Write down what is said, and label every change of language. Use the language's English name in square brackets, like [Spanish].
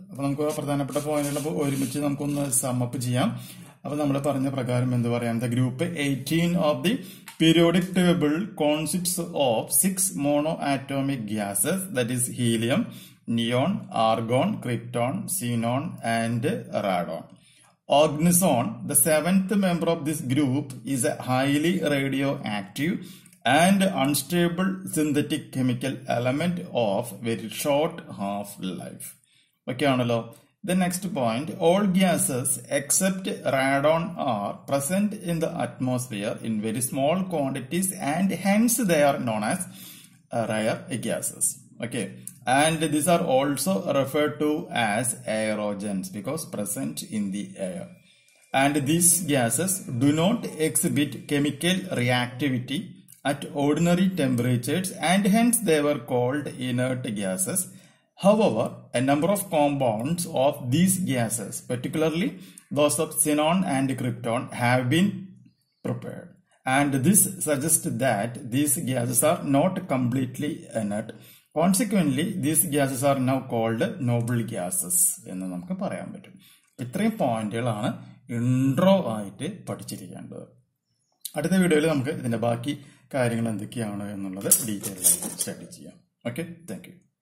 [Malayalam] അപ്പൊ നമുക്ക് പ്രധാനപ്പെട്ട പോയിന്റുകൾ ഒരുമിച്ച് നമുക്കൊന്ന് സമപ്പ് ചെയ്യാം. അപ്പൊ നമ്മൾ പറഞ്ഞ പ്രകാരം എന്ത് പറയാം, [English] The group 18 of the periodic table consists of 6 monoatomic gases, that is helium, neon, argon, krypton, xenon and radon. Organisone, the seventh member of this group, is a highly radioactive and unstable synthetic chemical element of very short half-life. Okay, Analo. The next point, all gases except radon are present in the atmosphere in very small quantities and hence they are known as rare gases. Okay. And these are also referred to as aerogens because present in the air. And these gases do not exhibit chemical reactivity at ordinary temperatures and hence they were called inert gases. However, a number of compounds of these gases, particularly those of xenon and krypton, have been prepared. And this suggests that these gases are not completely inert. Consequently, these gases are now called noble gases [Malayalam] എന്ന് നമുക്ക് പറയാൻ പറ്റും. ഇത്രയും പോയിന്റുകളാണ് intro ആയിട്ട് പഠിച്ചിരിക്കേണ്ടത്. അടുത്ത വീഡിയോയിൽ നമുക്ക് ഇതിന്റെ ബാക്കി കാര്യങ്ങൾ എന്തൊക്കെയാണ് എന്നുള്ളത് ഡീറ്റെയിൽ ആയിട്ട് സ്റ്റഡി ചെയ്യാം. [English] Okay, thank you.